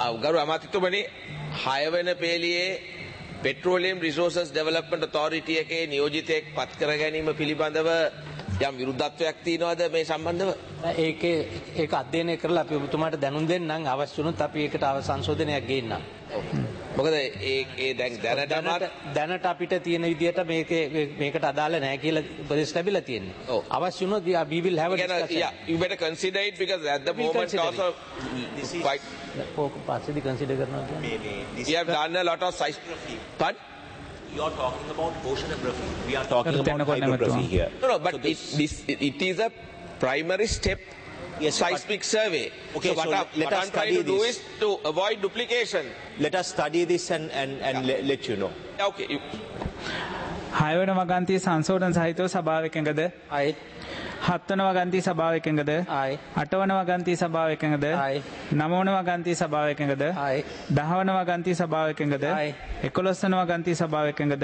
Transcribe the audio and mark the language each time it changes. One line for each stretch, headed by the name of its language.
Sinhala: ගරු අමාත්‍යතුමනි, හයවෙනි පේළියේ petroleum රිසෝර්සස් development authority එකේ නියෝජිතයෙක් පත් කර ගැනීම පිළිබඳව යම් විරුද්ධත්වයක් තියෙනවද මේ සම්බන්ධව? ඒකේ ඒක අධ්‍යයනය කරලා අපි ඔබතුමාට දැනුම් දෙන්නම්. අවශ්‍ය වුණොත් අපි ඒකට අව සංශෝධනයක් ගේන්නම්. මොකද ඒ දැන් දැනට අපිට තියෙන විදිහට මේකට අදාළ නැහැ කියලා උපදෙස් ලැබිලා තියෙනවා. ඔව්. අවශ්‍ය වුණොත්
English: we will have a discussion. You better consider it because at the moment also this is quite
Sinhala: ඕක පස්සේදී
English: consider
Sinhala: කරනවා කියන්නේ.
English: You have done a lot of seismography. You are talking about oceanography. We are talking about hydrography here. No, but it is a primary step. Yes, seismic survey. Okay, so let us study this. What I'm trying to do is to avoid duplication. Let us study this and yeah. let you know. Yeah, okay.
Sinhala: හයවන වගන්තිය සංශෝධන සහිතව සභාව එකඟද?
English: Aye.
Sinhala: හත්වන වගන්තිය සභාව එකඟද?
English: Aye.
Sinhala: අටවන වගන්තිය සභාව එකඟද?
English: Aye.
Sinhala: නවවන වගන්තිය සභාව එකඟද?
English: Aye.
Sinhala: දහවන වගන්තිය සභාව එකඟද?
English: Aye.
Sinhala: 11 වගන්තිය සභාව එකඟද?